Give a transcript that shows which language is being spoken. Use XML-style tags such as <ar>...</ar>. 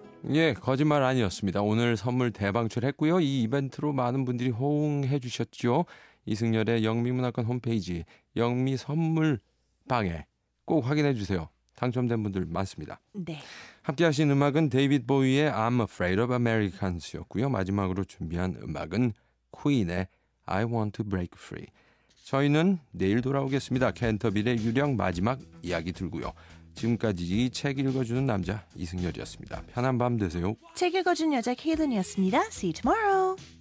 <ko>예, 거짓말 아니었습니다. 오늘 선물 대방출했고요. 이 이벤트로 많은 분들이 호응해 주셨죠. 이승열의 영미문학관 홈페이지 영미 선물방에 꼭 확인해 주세요. 당첨된 분들 많습니다. 네. 함께하신 음악은 데이빗 보위의 I'm Afraid of Americans였고요. 마지막으로 준비한 음악은 퀸의 I Want to Break Free. 저희는 내일 돌아오겠습니다. 캔터빌의 유령 마지막 이야기 들고요. 지금까지 책 읽어주는 남자 이승열이었습니다. 편한 밤 되세요. 책 읽어주는 여자 케이든이었습니다.</ko> <en>See you tomorrow.</en>